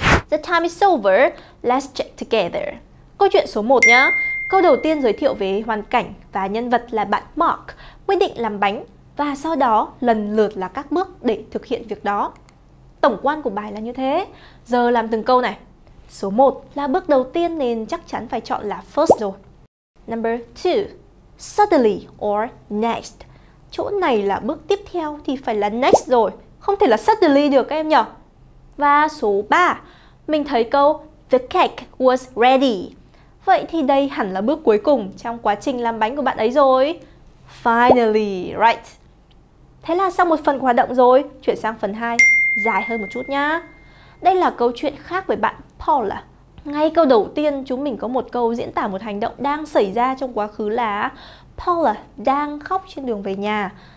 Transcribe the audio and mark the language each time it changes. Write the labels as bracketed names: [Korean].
[English] The time is over, let's check together. [Vietnamese] Câu chuyện số 1 nhá. Câu đầu tiên giới thiệu về hoàn cảnh và nhân vật là bạn Mark quyết định làm bánh và sau đó lần lượt là các bước để thực hiện việc đó. Tổng quan của bài là như thế. Giờ làm từng câu này. Số 1 là bước đầu tiên nên chắc chắn phải chọn là first rồi. [English] Number 2, suddenly or next. [Vietnamese] Chỗ này là bước tiếp theo thì phải là next rồi, không thể là suddenly được các em nhỉ. Và số 3, mình thấy câu [English] the cake was ready. [Vietnamese] Vậy thì đây hẳn là bước cuối cùng trong quá trình làm bánh của bạn ấy rồi. [English] Finally, right. [Vietnamese] Thế là xong một phần của hoạt động rồi, chuyển sang phần 2, dài hơn một chút nhá. Đây là câu chuyện khác với bạn Paula. Ngay câu đầu tiên chúng mình có một câu diễn tả một hành động đang xảy ra trong quá khứ là Paula đang khóc trên đường về nhà.